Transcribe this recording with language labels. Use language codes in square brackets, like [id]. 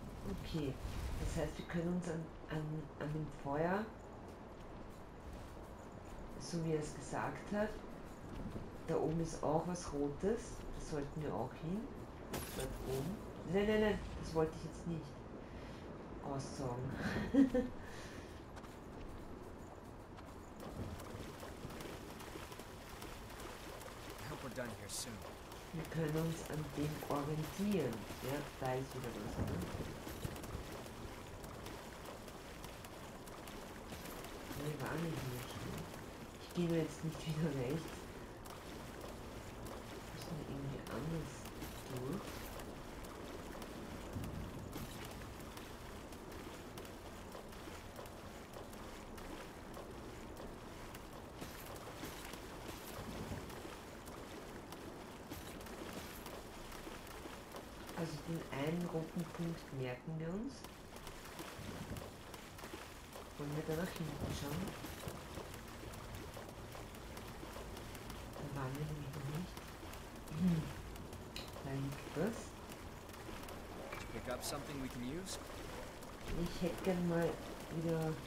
[de] Okay, das heißt, wir können uns an dem Feuer, so wie er es gesagt hat, da oben ist auch was Rotes, da sollten wir auch hin, dort oben. Nein, nein, nein, das wollte ich jetzt nicht aussagen. [en] I hope we're done here soon. [de] Wir können uns an dem orientieren. Ja, da ist wieder was. Ne? Wir waren nicht hier schon. Ich gehe mir jetzt nicht wieder rechts. Müssen wir irgendwie anders durch. Den einen roten Punkt merken wir uns. Wollen wir da nach hinten schauen? Da waren wir nämlich noch nicht. Da liegt das. [en] To pick up something we can use? [de] Ich hätte gern mal wieder.